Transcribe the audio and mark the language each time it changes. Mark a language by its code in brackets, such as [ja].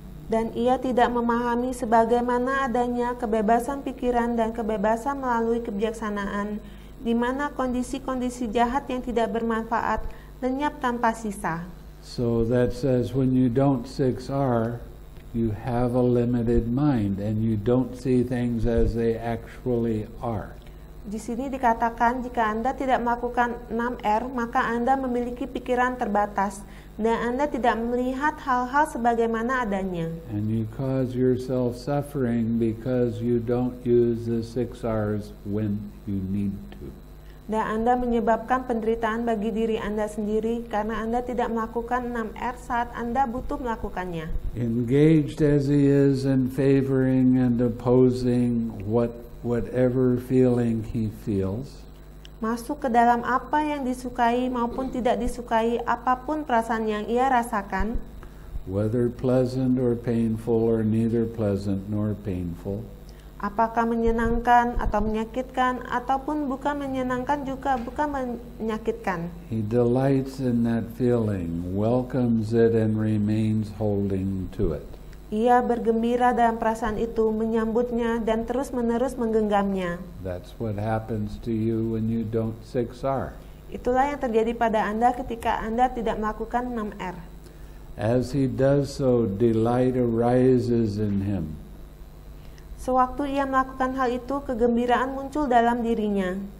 [id] Dan ia tidak memahami sebagaimana adanya kebebasan pikiran dan kebebasan melalui kebijaksanaan, di mana kondisi-kondisi jahat yang tidak bermanfaat lenyap tanpa sisa. [en] So that says when you don't 6R, you have a limited mind and you don't see things as they actually are. [id] Di sini dikatakan jika Anda tidak melakukan 6R, maka Anda memiliki pikiran terbatas dan Anda tidak melihat hal-hal sebagaimana adanya. [en] And you cause yourself suffering because you don't use the 6Rs when you need to. [id] Dan Anda menyebabkan penderitaan bagi diri Anda sendiri karena Anda tidak melakukan 6R saat Anda butuh melakukannya. [en] Engaged as he is in favoring and opposing whatever feeling he feels. [id] Masuk ke dalam apa yang disukai maupun tidak disukai, apapun perasaan yang ia rasakan. [en] Whether pleasant or painful or neither pleasant nor painful. [id] Apakah menyenangkan atau menyakitkan, ataupun bukan menyenangkan juga bukan menyakitkan. [en] He delights in that feeling, welcomes it and remains holding to it. [id] Ia bergembira dalam perasaan itu, menyambutnya dan terus-menerus menggenggamnya. [en] That's what happens to you when you don't 6R. [id] Itulah yang terjadi pada Anda ketika Anda tidak melakukan 6R. [en] As he does so, delight arises in him. [id] Sewaktu ia melakukan hal itu, kegembiraan muncul dalam dirinya.